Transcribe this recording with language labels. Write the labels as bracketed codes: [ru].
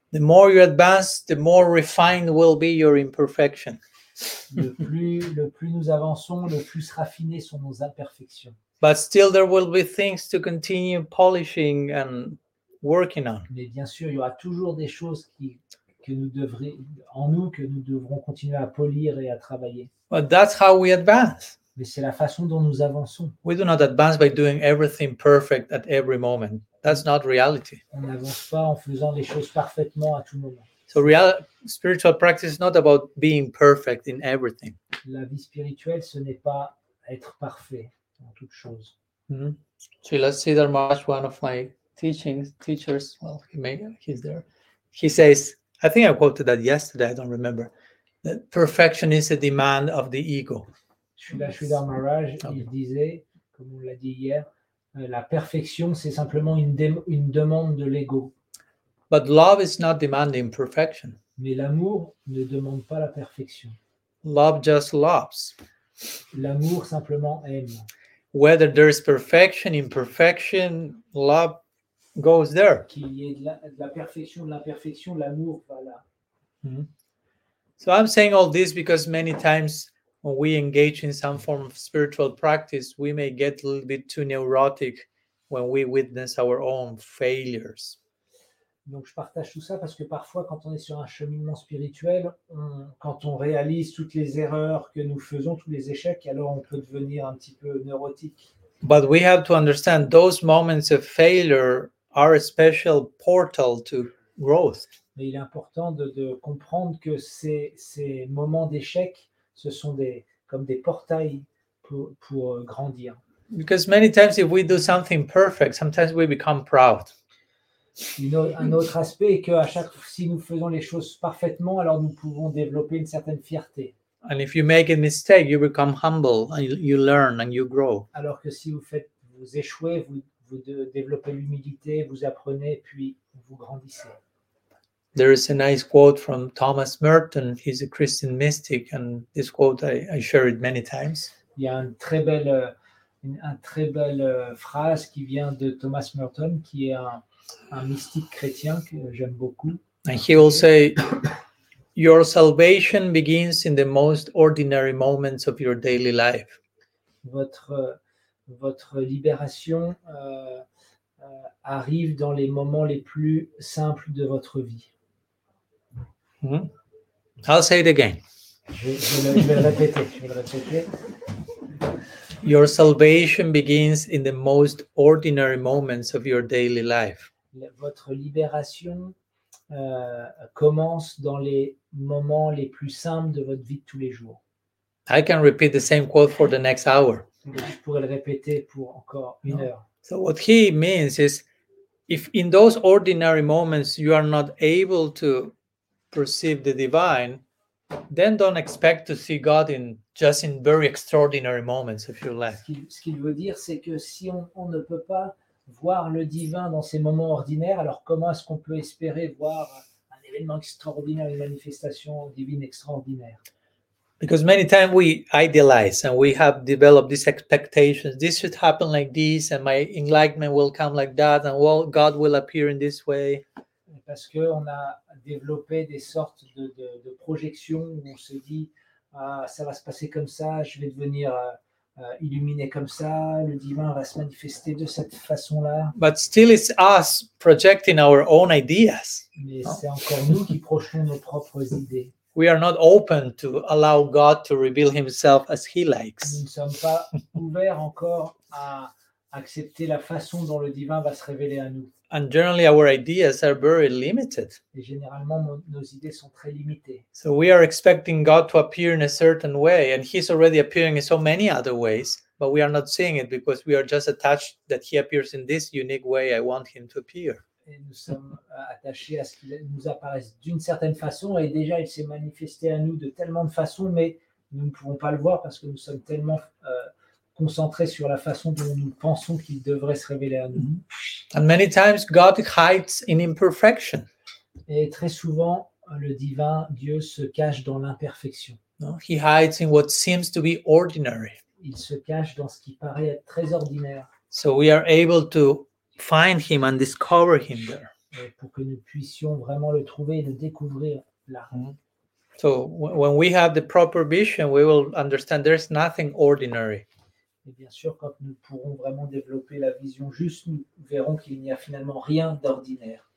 [en] The more you advance, the more refined will be your imperfection. [fr] Le plus nous avançons, le plus raffinées sont nos imperfections. [en] But still, there will be things to continue polishing and working on. [fr] Mais bien sûr, il y aura toujours des choses que nous devrons continuer à polir et à travailler. [en] But that's how we advance. [fr] Mais c'est la façon dont nous avançons. [en] We do not advance by doing everything perfect at every moment. That's not reality. [fr] On n'avance pas en faisant les choses parfaitement à tout moment. [en] So real spiritual practice is not about being perfect in everything. [fr] La vie spirituelle, ce n'est pas être parfait en toute chose. [en] So let's see, there was one of my teachers. Well, he's there. He says, I think I quoted that yesterday, I don't remember. That perfection is a demand of the ego. [fr] Sridhar Maharaj, il disait, comme on l'a dit hier, la perfection, c'est simplement une demande de l'ego. [en] But love is not demanding perfection. [fr] Mais l'amour ne demande pas la perfection. [en] Love just loves. [fr] L'amour simplement aime. [en] Whether there is perfection, imperfection, love goes there. [fr] Qu'il y ait de la perfection, de l'imperfection, l'amour va là. [en] So I'm saying all this because many times when we engage in some form of spiritual practice, we may get a little bit too neurotic when we witness our own failures. [fr] Donc je partage tout ça parce que parfois quand on est sur un cheminement spirituel, quand on réalise toutes les erreurs que nous faisons, tous les échecs, alors on peut devenir un petit peu neurotique. [en] But we have to understand those moments of failure are a special portal to growth. [fr] Mais il est important de comprendre que ces moments d'échec, ce sont comme des portails pour grandir. [en] Because many times if we do something perfect, sometimes we become proud. [fr] Un autre aspect est que si nous faisons les choses parfaitement, alors nous pouvons développer une certaine fierté. [en] And if you make a mistake, you become humble and you learn and you grow. [fr] Alors que si vous échouez, vous développez l'humilité, vous apprenez, puis vous grandissez. [en] There is a nice quote from Thomas Merton. He's a Christian mystic, and this quote I share it many times. [fr] Il y a une très belle phrase qui vient de Thomas Merton, qui est un mystique chrétien que j'aime beaucoup. [en] And he will say, your salvation begins in the most ordinary moments of your daily life. [fr] Votre libération arrive dans les moments les plus simples de votre vie. [en] Mm-hmm. I'll say it again. [fr] Je vais le répéter. [en] Your salvation begins in the most ordinary moments of your daily life. [fr] Votre libération commence dans les moments les plus simples de votre vie de tous les jours. [en] I can repeat the same quote for the next hour. [fr] Je pourrais le répéter pour encore une heure. [en] So what he means is, if in those ordinary moments you are not able to perceive the divine, then don't expect to see God in very extraordinary moments of your life. [fr] Ce qu'il veut dire, c'est que si on ne peut pas voir le divin dans ces moments ordinaires, alors comment est-ce qu'on peut espérer voir un événement extraordinaire, une manifestation divine extraordinaire? [en] Because many times we idealize and we have developed these expectations. This should happen like this, and my enlightenment will come like that, and well, God will appear in this way. [fr] Parce qu'on a développé des sortes de projections où on se dit, ça va se passer comme ça, je vais devenir illuminé comme ça, le divin va se manifester de cette façon-là. [en] But still it's us projecting our own ideas. [fr] Mais c'est encore nous qui projetons nos propres idées. [en] We are not open to allow God to reveal himself as he likes. [fr] Nous ne sommes pas ouverts encore à accepter la façon dont le divin va se révéler à nous. [en] And generally our ideas are very limited. [fr] Et généralement, nos idées sont très limitées. [en] So we are expecting God to appear in a certain way, and he's already appearing in so many other ways, but we are not seeing it because we are just attached that he appears in this unique way I want him to appear. [fr] Et nous sommes attachés à ce qu'il nous apparaisse d'une certaine façon, et déjà il s'est manifesté à nous de tellement de façons, mais nous ne pouvons pas le voir parce que nous sommes tellement concentré sur la façon dont nous pensons qu'il devrait se révéler à nous. [en] And many times God hides in imperfection. [fr] Et très souvent, le divin Dieu se cache dans l'imperfection. [en] No, he hides in what seems to be ordinary. [fr] Il se cache dans ce qui paraît être très ordinaire. [en] So we are able to find him and discover him there. [fr] Et pour que nous puissions vraiment le trouver et le découvrir là. [en] So when we have the proper vision, we will understand there's nothing ordinary. [fr] Et bien sûr, quand nous pourrons vraiment développer la vision juste, nous verrons qu'il n'y a finalement rien d'ordinaire.